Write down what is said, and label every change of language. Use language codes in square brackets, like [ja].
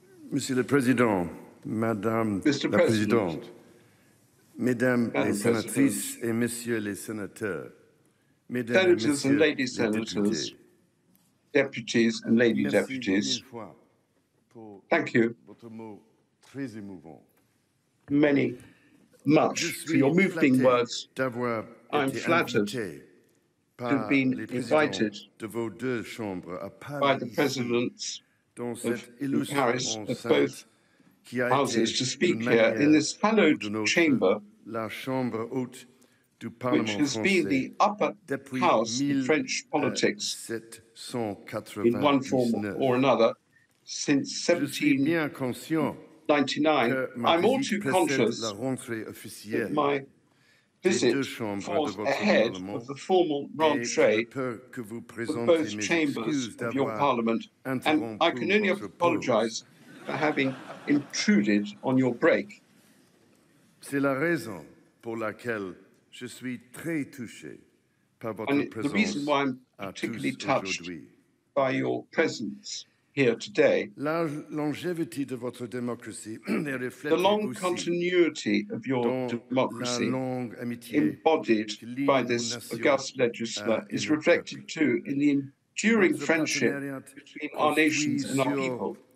[fr] Monsieur le Président, Madame la Présidente, Mesdames les Sénatrices et Messieurs les Sénateurs, [en] Senators and Lady Senators, Deputies and Lady Deputies, thank you many much for your moving words. I'm flattered to have been invited by the Presidents of Paris, of both houses, to speak here in this hallowed chamber, which has been the upper house of French politics in one form or another since 1799. I'm all too conscious that my visit falls ahead of the formal rentrée for both chambers of your parliament, and I can only apologise for having intruded on your break. [fr] C'est la raison pour laquelle je suis très touché par votre présence. [en] The reason why I'm particularly touched by your presence here today. [fr] La longévité de votre démocratie est reflétée [en] the long continuity of your democracy, embodied by this august legislature, is reflected too in the enduring friendship between our nations and our people.